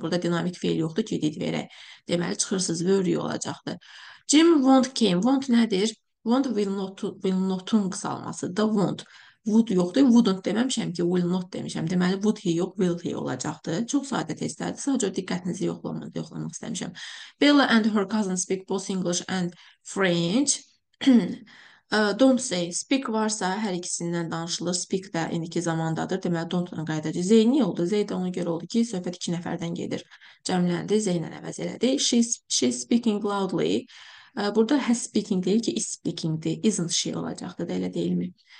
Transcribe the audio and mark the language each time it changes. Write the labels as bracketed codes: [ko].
[az] Burada dinamik fiil yoxdur ki, did verək. Deməli, çıxırsız, were-ü olacaqdır. [en] Jim won't came. Won't nədir? Won't will not, will not-un qısalması. The won't. Would yoxdur. [az] Wouldn't deməmişəm ki, will not demişəm. Deməli, would he yox, will he olacaqdır. Çox sadə testlərdir. Sadəcə diqqətinizi yoxlamaq istəmişəm. [en] Bella and her cousin speak both English and French. [az] don't say, speak varsa hər ikisindən danışılır, speak də indiki zamandadır, deməli don't ona qayıdacaq. Zeyn niyə oldu? Zeyn də ona görə oldu ki, söhbət iki nəfərdən gedir, cəmləndi, Zeynən əvəz elədi. [en] She's speaking loudly. [az] Burada has speaking deyil ki, is speaking-di, isn't she olacaqdır da, elə deyilmi?